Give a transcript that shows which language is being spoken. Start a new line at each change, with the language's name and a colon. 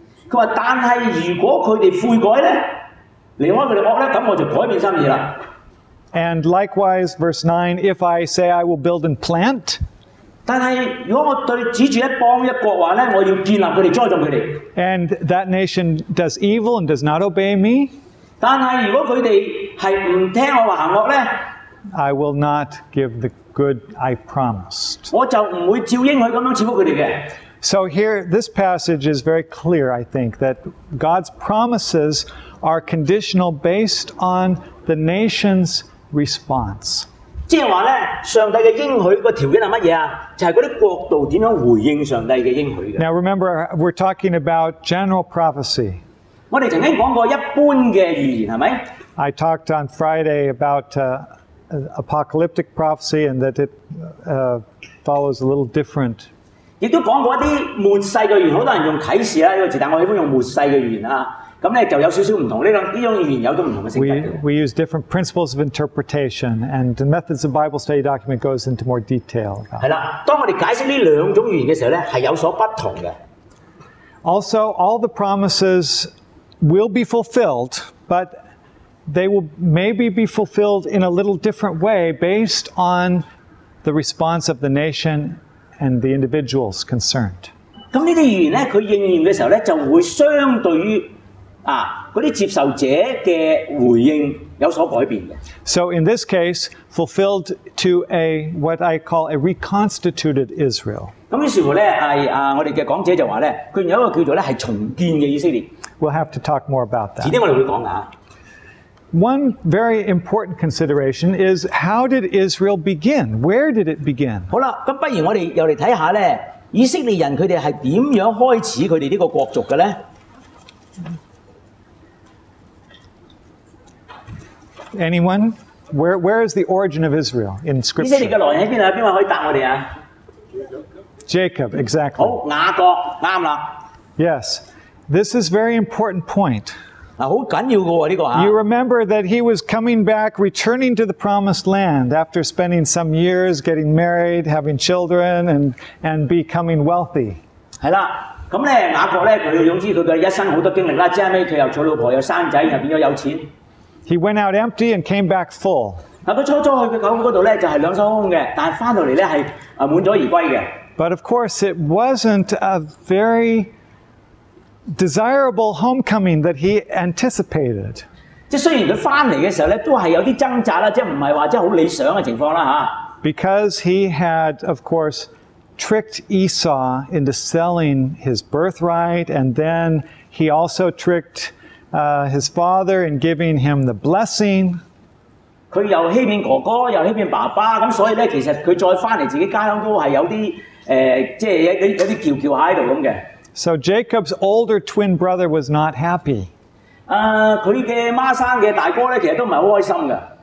English: And likewise, verse 9, if I say I will build and plant, and that nation does evil and does not obey me,
Cantonese: 但係如果佢哋係唔聽我話行惡咧，
English: I will not give the good I promised.
Cantonese: 我就唔會照應佢咁樣賜福佢哋嘅。
English: So here, this passage is very clear, I think, that God's promises are conditional based on the nation's response.
Cantonese: 即係話咧，上帝嘅應許個條件係乜嘢啊？就係嗰啲國度點樣回應上帝嘅應許嘅。
English: Now remember, we're talking about general prophecy.
Cantonese: 我哋曾經講過一般嘅預言係咪？
English: I talked on Friday about apocalyptic prophecy and that it follows a little different.
Cantonese: 亦都講過一啲末世嘅預言，好多人用啟示啦呢個字，但我喜歡用末世嘅預言啊。咁咧就有少少唔同，呢種語言有種唔同嘅性格。
English: We use different principles of interpretation, and the methods of Bible study document goes into more detail.
Cantonese: 係啦，當我哋解釋呢兩種語言嘅時候咧，係有所不同嘅。
English: Also, all the promises will be fulfilled, but they will maybe be fulfilled in a little different way based on the response of the nation and the individuals concerned.
Cantonese: 咁呢啲語言咧，佢應驗嘅時候咧，就會相對於嗰啲接受者嘅回應有所改變嘅。
English: So in this case, fulfilled to a what I call a reconstituted Israel.
Cantonese: 咁於是乎咧，我哋嘅講者就話咧，佢有一個叫做咧係重建嘅以色列。
English: We'll have to talk more about that.
Cantonese: 遲啲我哋會講噶。
English: One very important consideration is how did Israel begin? Where did it begin?
Cantonese: 好啦，咁不如我哋又嚟睇下咧，以色列人佢哋係點樣開始佢哋呢個國族嘅咧？
English: Anyone? Where is the origin of Israel in Scripture?
Cantonese: 以色列嘅來源喺邊啊？邊位可以答我哋啊？
English: Jacob, exactly.
Cantonese: 好，雅各，啱啦。
English: Yes, this is a very important point.
Cantonese: 好緊要嘅喎，呢個啊。
English: You remember that he was coming back, returning to the promised land after spending some years getting married, having children, and becoming wealthy.
Cantonese: 係啦，咁咧雅各咧，佢總之佢嘅一生好多經歷啦，最尾佢又娶老婆，又生仔，又變咗有錢。
English: He went out empty and came back full.
Cantonese: 佢初初去嘅狗嗰度咧，就係兩手空空嘅，但係翻到嚟咧係滿咗而歸嘅。
English: But of course, it wasn't a very desirable homecoming that he anticipated.
Cantonese: 即係雖然佢翻嚟嘅時候咧，都係有啲掙扎啦，即係唔係話即係好理想嘅情況啦嚇。
English: Because he had, of course, tricked Esau into selling his birthright, and then he also trickedhis father in giving him the blessing.
Cantonese: 佢又欺騙哥哥，又欺騙爸爸，咁所以咧，其實佢再翻嚟自己家鄉都係有啲即係有啲叫叫喺度咁嘅。
English: So Jacob's older twin brother was not happy.
Cantonese: 佢嘅孖生嘅大哥咧，其實都唔係好開心嘅。